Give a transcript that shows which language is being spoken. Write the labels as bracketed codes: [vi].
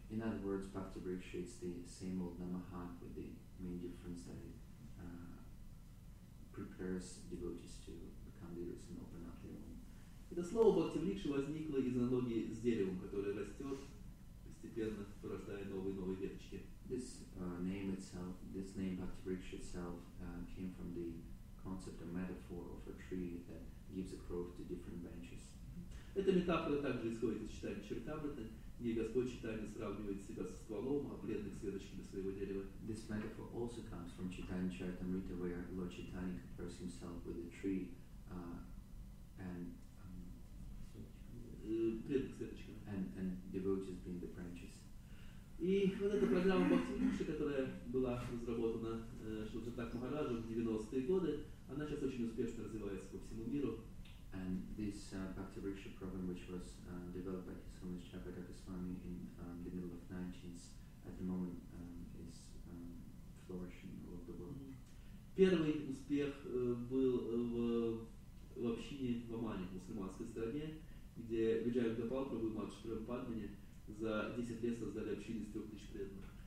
[en] In other words, Bhaktivriksha is the same old namahat with the main difference that it prepares devotees to become leaders and open up their own. [ru] Это слово Бхактивриксха возникло из аналогии с деревом, которое растет постепенно, порождая новые веточки. [en] This name itself, this name Bhaktivriksha itself, came from the concept or metaphor of a tree that gives a growth to different branches. [ru] Эта метафора также исходит из читания Чаритамриты. И Господь Читания сравнивает себя со стволом, а бледных с веточками своего дерева. [en] This metaphor also comes from Chaitanya Charitamrita, where Lord Chaitanya compares himself with a tree and devotees being the branches. [ru] И вот эта программа Бхактивриксха, которая была разработана Шрила Чакрата Махараджем в 90-е годы, она сейчас очень успешно развивается по всему миру. [en] And this Bhaktivriksha program, which was developed by His Holiness Jayapaka Goswami in the middle of 19th, at the moment is flourishing all over the world. [ru] Первый успех был в общине в Омане, в мусульманской стране, где Виджая Гопал Прабху и Матша Прабхупадмани за 10 лет создали общину из 3000 преданных.